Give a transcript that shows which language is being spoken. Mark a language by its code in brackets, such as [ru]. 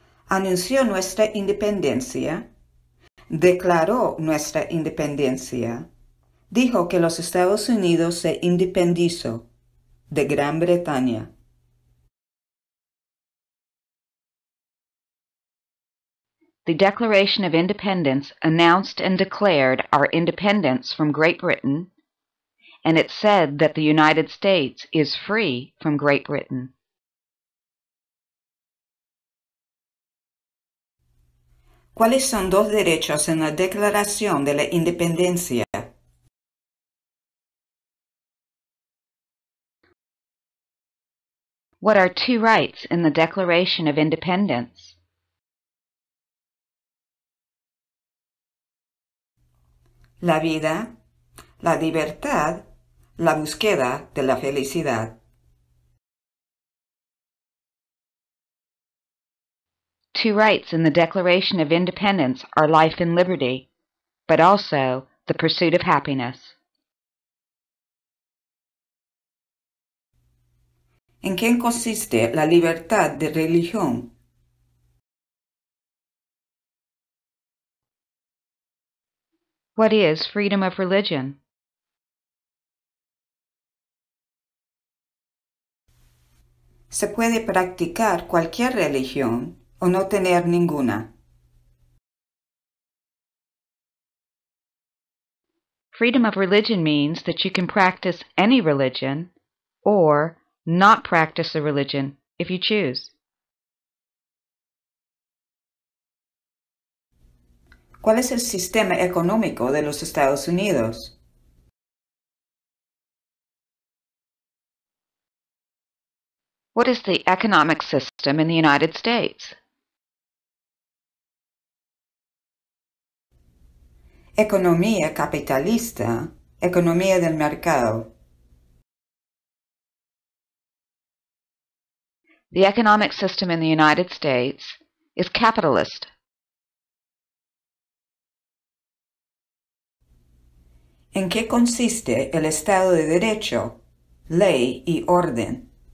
[es] Anunció nuestra independencia, declaró nuestra independencia, dijo que los Estados Unidos se independizó de Gran Bretaña. [en] The Declaration of Independence announced and declared our independence from Great Britain, and it said that the United States is free from Great Britain. [es] ¿Cuáles son dos derechos en la Declaración de la Independencia? [en] What are two rights in the Declaration of Independence? [es] La vida, la libertad, la búsqueda de la felicidad. [en] Two rights in the Declaration of Independence are life and liberty, but also the pursuit of happiness. [es] ¿En qué consiste la libertad de religión? [en] What is freedom of religion? [es] Se puede practicar cualquier religión o no tener ninguna. [en] Freedom of religion means that you can practice any religion or not practice a religion if you choose. [es] ¿Cuál es el sistema económico de los Estados Unidos? [en] What is the economic system in the United States? [es] Economía capitalista, economía del mercado. [en] The economic system in the United States is capitalist. [es] ¿En qué consiste el Estado de Derecho, ley y orden?